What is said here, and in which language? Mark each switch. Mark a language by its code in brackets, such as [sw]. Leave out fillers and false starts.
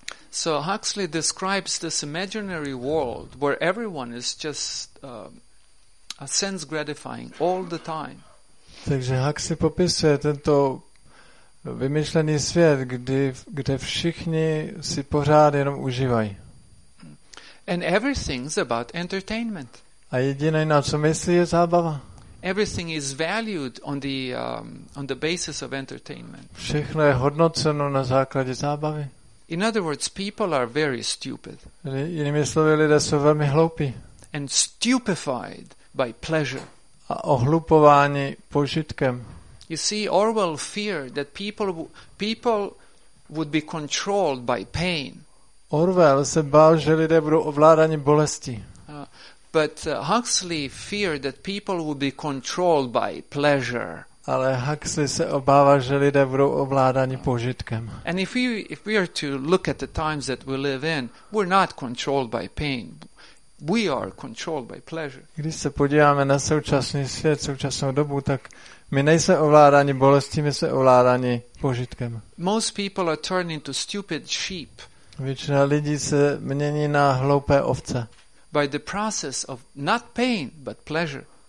[en] So Huxley describes this imaginary world where everyone is just a sense gratifying all the time. [cs] Takže Huxley popisuje tento vymyšlený svět, kde všichni si pořád jenom užívají. [en] And everything's about entertainment. [cs] A jediné, na co myslí, je zábava. [en] Everything is valued on the basis of entertainment. [cs] Všechno je hodnoceno na základě zábavy. [en] In other words, people are very stupid. [cs] Jinými slovy, lidé jsou velmi hloupí. [en] And stupefied by pleasure. [cs] A ohlupováni požitkem. [en] You see, Orwell feared that people would be controlled by pain. [cs] Orwell se bál, že lidé budou ovládáni bolestí. [en] But Huxley feared that people would be controlled by pleasure. [cs] Ale Huxley se obával, že lidé budou ovládáni požitkem. [en] And if we are to look at the times that we live in, we're not controlled by pain. We are controlled by pleasure. [cs] Když se podíváme na současný svět, současnou dobu, tak my nejsme ovládáni bolestí, my jsme ovládáni požitkem. [en] Most people are turning into stupid sheep. [cs] Většina lidí se mění na hloupé ovce. [en] By the process of not pain, but pleasure.